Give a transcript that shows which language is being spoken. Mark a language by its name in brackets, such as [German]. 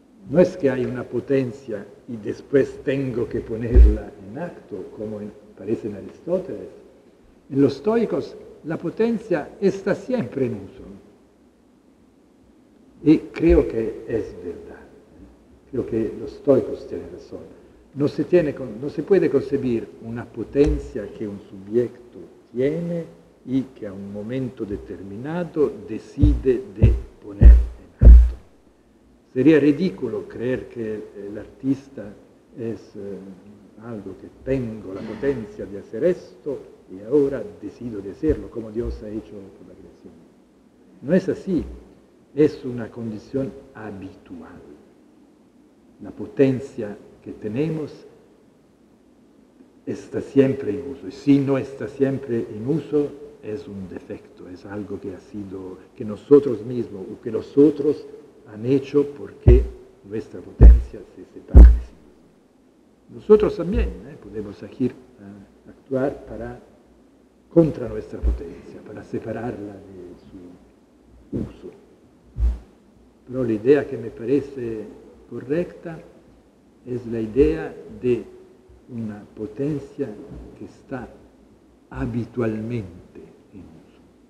[Spanish] No es que hay una potencia y después tengo que ponerla en acto, como parece en Aristóteles. En los estoicos la potencia está siempre en uso. [Italian] E credo che è vero, credo che lo stoico tiene ragione. Non si può concepire una potenza che un soggetto tiene e che a un momento determinato decide di ponerla in atto. Sarebbe ridicolo credere che l'artista è algo che tengo la potenza di fare questo e ora decido di farlo, come Dio ha fatto con la creazione. Non è così. [Spanish] Es una condición habitual. La potencia que tenemos está siempre en uso. Y si no está siempre en uso, es un defecto, es algo que ha sido, que nosotros mismos o que los otros han hecho porque nuestra potencia se separa de sí. Nosotros también podemos actuar para contra nuestra potencia, para separarla de su uso. [Italian] Però l'idea che mi parece corretta è l'idea di una potenza che sta abitualmente in uso.